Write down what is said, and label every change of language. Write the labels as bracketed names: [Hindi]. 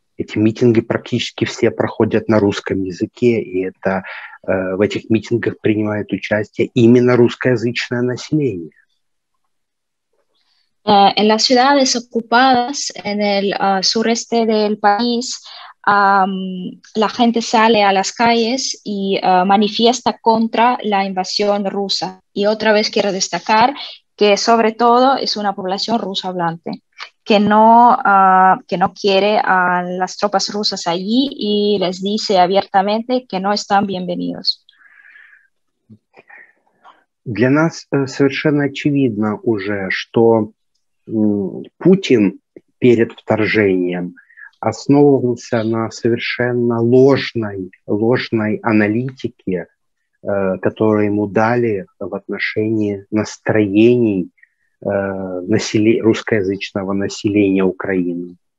[Russian] Эти митинги практически все проходят на русском языке, и это в этих митингах принимает участие именно русскоязычное население. [Spanish] En las ciudades ocupadas en el sureste del país, la gente sale a las calles y manifiesta contra la invasión rusa. Y otra vez quiero destacar que sobre todo es una población rusohablante que no quiere a las tropas rusas allí y les dice abiertamente que no están bienvenidos. [Russian] Для нас совершенно очевидно уже, что Путин перед вторжением основывался на совершенно ложной аналитике, которую ему дали в отношении настроений русскоязычного населения Украины.